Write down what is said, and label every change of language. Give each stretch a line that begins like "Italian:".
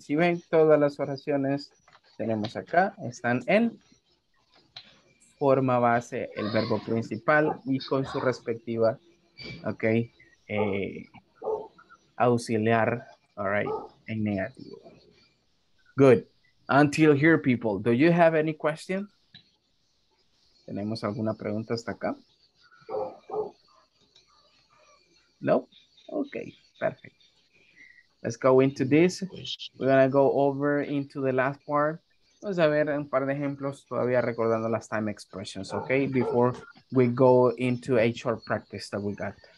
Spanish: Si ven, todas las oraciones tenemos acá, están en forma base, el verbo principal y con su respectiva, okay, auxiliar, all right, en negativo.
English: Good. Until here, people, do you have any question?
Spanish: ¿Tenemos alguna pregunta hasta acá?
English: No? Okay, perfect. Let's go into this. We're going to go over into the last part.
Spanish: Vamos a ver un par de ejemplos todavía recordando las time expressions, okay?
English: Before we go into a short practice that we got.